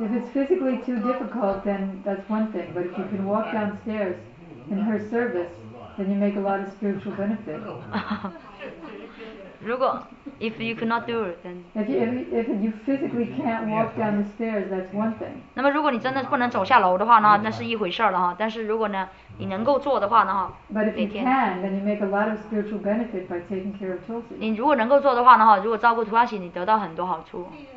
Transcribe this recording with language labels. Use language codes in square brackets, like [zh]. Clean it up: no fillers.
[en] If it's physically too difficult, then that's one thing. But if you can walk downstairs in her service, then you make a lot of spiritual benefit. [zh] 如果 [en] if you cannot do it, then if you physically can't walk down the stairs, that's one thing. [zh] 那么如果你真的不能走下楼的话呢，那是一回事了哈。但是如果呢，你能够做的话呢哈。 [en] But if you can, then you make a lot of spiritual benefit by taking care of Tulsi. [zh] 你如果能够做的话呢哈，如果照顾图拉西，你得到很多好处。